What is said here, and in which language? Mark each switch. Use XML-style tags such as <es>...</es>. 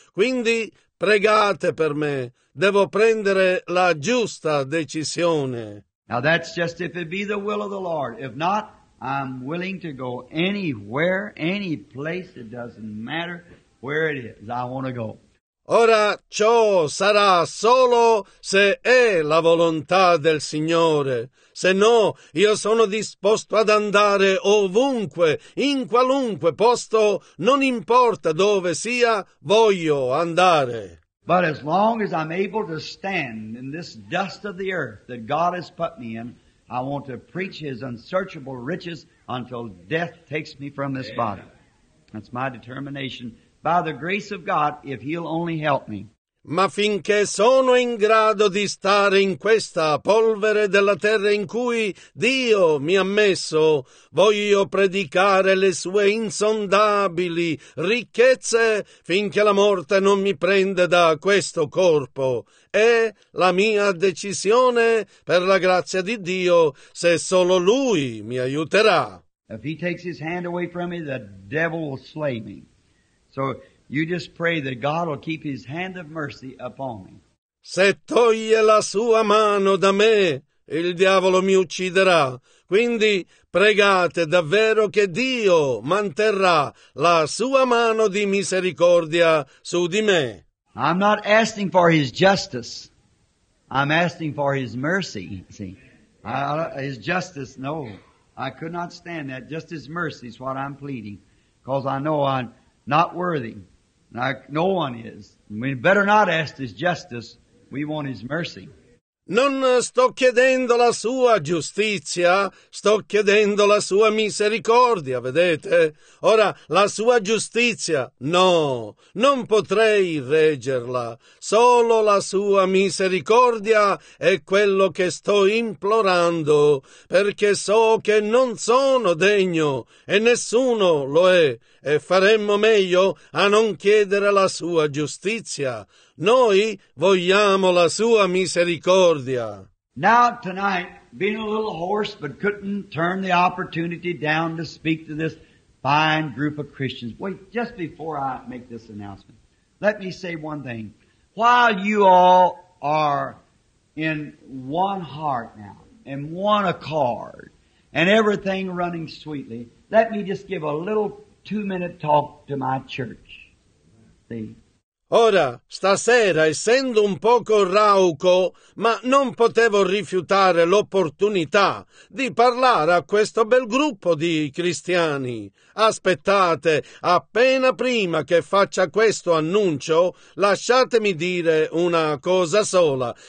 <it>Quindi pregate per me. Devo prendere la giusta decisione.</it> <en>Now that's just if it be the will of the Lord. If not, I'm willing to go anywhere, any place, it doesn't matter where it is, I want to go.</en> <it>Ora ciò sarà solo se è la volontà del Signore. Se no, io sono disposto ad andare ovunque, in qualunque posto, non importa dove sia, voglio andare.</it> <en>But as long as I'm able to stand in this dust of the earth that God has put me in, I want to preach His unsearchable riches until death takes me from this body. That's my determination. By the grace of God, if He'll only help me.</en> <it>Ma finché sono in grado di stare in questa polvere della terra in cui Dio mi ha messo, voglio predicare le sue insondabili ricchezze finché la morte non mi prende da questo corpo. È la mia decisione, per la grazia di Dio, se solo Lui mi aiuterà.</it> <en>If He takes His hand away from me, the devil will slay me. So you just pray that God will keep His hand of mercy upon me.</en> <it>Se toglie la sua mano da me, il diavolo mi ucciderà. Quindi pregate davvero che Dio manterrà la sua mano di misericordia su di me.</it> <en>I'm not asking for His justice. I'm asking for His mercy. See, His justice, no. I could not stand that. Just His mercy is what I'm pleading. Because I know I'm not worthy. Like no one is. We better not ask His justice. We want His mercy.</en> <it>Non sto chiedendo la sua giustizia, sto chiedendo la sua misericordia, vedete? Ora, la sua giustizia, no, non potrei reggerla. Solo la sua misericordia è quello che sto implorando, perché so che non sono degno e nessuno lo è, e faremmo meglio a non chiedere la sua giustizia. Noi vogliamo la sua misericordia.</it> <en>Now tonight, being a little hoarse but couldn't turn the opportunity down to speak to this fine group of Christians. Wait, just before I make this announcement, let me say one thing. While you all are in one heart now, in one accord, and everything running sweetly, let me just give a little 2-minute talk to my church. See?</en> <it>Ora, stasera, essendo un poco rauco, ma non potevo rifiutare l'opportunità di parlare a questo bel gruppo di cristiani. Aspettate, appena prima che faccia questo annuncio, lasciatemi dire una cosa sola.</it>